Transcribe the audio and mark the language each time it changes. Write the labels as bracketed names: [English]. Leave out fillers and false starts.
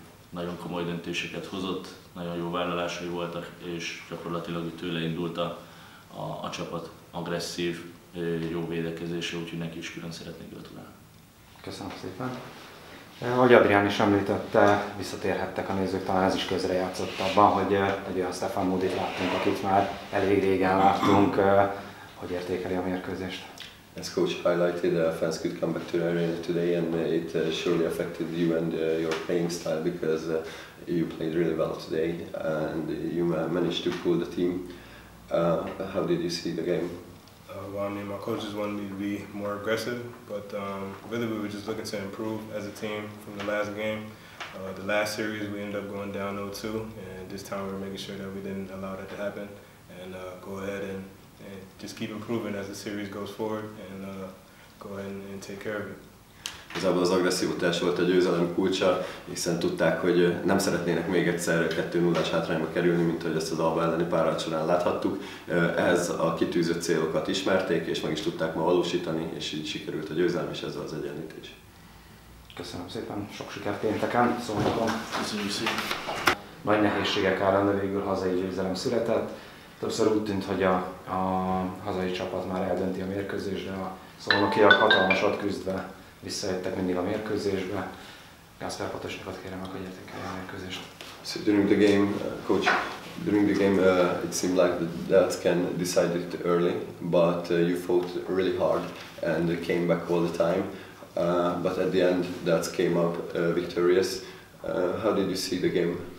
[Hungarian] Nagyon komoly döntéseket hozott, nagyon jó vállalásai voltak, és gyakorlatilag tőle indult a csapat agresszív, jó védekezése, úgyhogy neki is külön szeretnék gratulálni. Köszönöm szépen. Ahogy Adrián is említette, visszatérhettek a nézők, talán ez is közrejátszott abban, hogy egy olyan Stefan Módit láttunk, akit már elég régen láttunk. Hogy értékeli a mérkőzést? [English] As coach highlighted, fans could come back to the arena today and it surely affected you and your playing style because you played really well today and you managed to pull the team. How did you see the game? Well, I mean, my coaches wanted me to be more aggressive, but really we were just looking to improve as a team from the last game. The last series we ended up going down 0-2 and this time we were making sure that we didn't allow that to happen and go ahead and just keep improving as the series goes forward and go ahead and take care of it. [Hungarian] Igazából az agresszivitás volt a győzelem kulcsa, hiszen tudták, hogy nem szeretnének még egyszer 2-0-as hátrányba kerülni, mint ahogy ezt az Alba elleni párharc során láthattuk. Ehhez a kitűzött célokat ismerték, és meg is tudták ma valósítani, és így sikerült a győzelem, és ezzel az egyenlítés. Köszönöm szépen, sok sikert pénteken, szóval. Köszönjük szépen. Nagy nehézségek ellen, de végül hazai győzelem született. Többször úgy tűnt, hogy a hazai csapat már eldönti a mérkőzést, de a szolnokiak hatalmasat küzdve visszajöttek mindig a mérkőzésbe. Gáspár Patosnyikot kérem, hogy értékelje a mérkőzést. [English] So during the game, coach, during the game it seemed like the Dels can decide it early, but you fought really hard and came back all the time. But at the end, Dels came up victorious. How did you see the game?